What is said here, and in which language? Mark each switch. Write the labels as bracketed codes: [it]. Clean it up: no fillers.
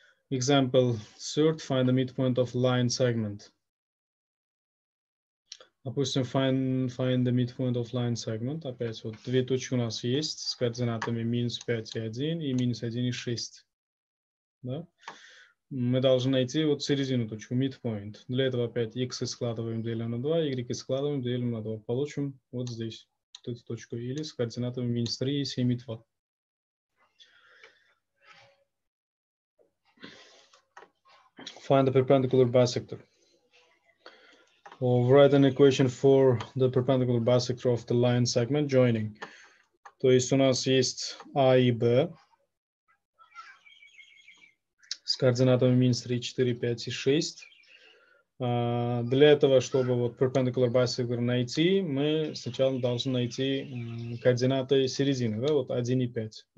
[en] Example third, find the midpoint of line segment. Допустим, find the midpoint of line segment. [ru] Опять вот две точки у нас есть с координатами минус 5 и 1 и минус 1 и 6. Да? Мы должны найти вот середину точку, midpoint. Для этого опять X складываем, делим на 2, Y складываем, делим на 2. Получим вот здесь, вот эту точку. Или с координатами минус 3 и 7 и 2. [en] Find the perpendicular bisector. Or write an equation for the perpendicular bisector of the line segment joining. [ru] То есть у нас есть А и Б с координатами минус 3, 4, 5 и 6. Для этого, чтобы вот perpendicular bisector найти, мы сначала должны найти координаты середины, да, вот 1 и 5.